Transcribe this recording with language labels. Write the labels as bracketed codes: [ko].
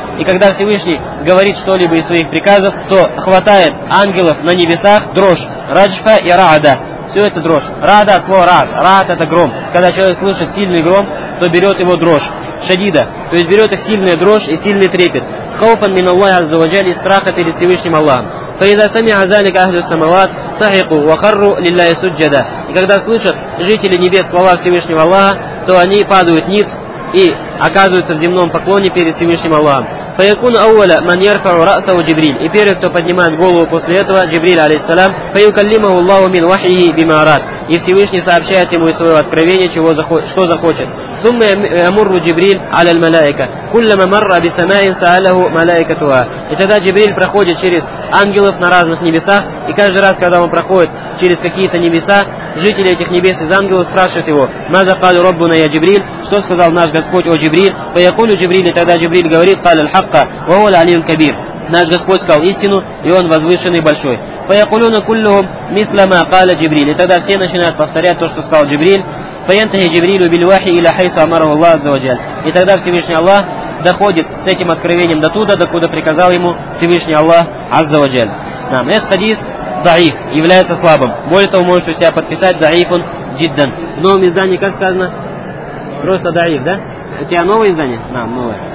[ru] И когда Всевышний говорит что-либо из своих приказов, то хватает ангелов на небесах дрожь. Раджфа и раада. Все это дрожь. Раада от слова раад. Раад это гром. Когда человек слышит сильный гром, то берет его дрожь. Шадида. То есть берет их сильная дрожь и сильный трепет. [ar] Хаупан мин Аллах аззаваджали, [ru] страха перед Всевышним Аллахом. [ar] فإذا سمع ذلك أهل السماوات صحقوا وخروا لله سجدا. [ru] И когда слышат жители небес слова Всевышнего Аллаха, то они падают ниц и оказываются в земном поклоне перед Всевышним Аллахом. [ar] فيكون أول من يرفع رأسه جبريل. [ru] И первый, кто поднимает голову после этого, Джибриль алейхиссалям. [ar] فيكلمه الله من وحيه بما أراد. [ru] И Всевышний сообщает ему из своего откровения, чего что захочет. [ar] ثم يمر جبريل على الملائكة. كلما مر بسماء سأله ملائكتها. [ru] И тогда Джибриль проходит через ангелов на разных небесах, и каждый раз, когда он проходит через какие-то небеса, жители этих небес из ангелов спрашивают его: [ar] ماذا قال ربنا يا جبريل? [ru] Что сказал наш Господь, о Джибриль? [ar] فيقول جبريل. [ru] И тогда Джибриль говорит: [ar] قال الحق وهو العلي الكبير. [ru] Наш Господь сказал истину, и он возвышенный большой. [ar] فيقولون كلهم مثل ما قال جبريل. [ru] И тогда все начинают повторять то, что сказал Джибриль. [ar] فينتهي جبريل بالوحي الى حيث امره الله عز وجل. [ru] И тогда Всевышний Аллах доходит с этим откровением до туда, докуда приказал ему Всевышний Аллах Азза ва Джаль. Нам этот хадис даиф, является слабым. Более того, можете у себя подписать [ar] даифун джиддан. [ru] В новом издании как сказано? Просто даиф, да? У тебя новое издание? Да, новое.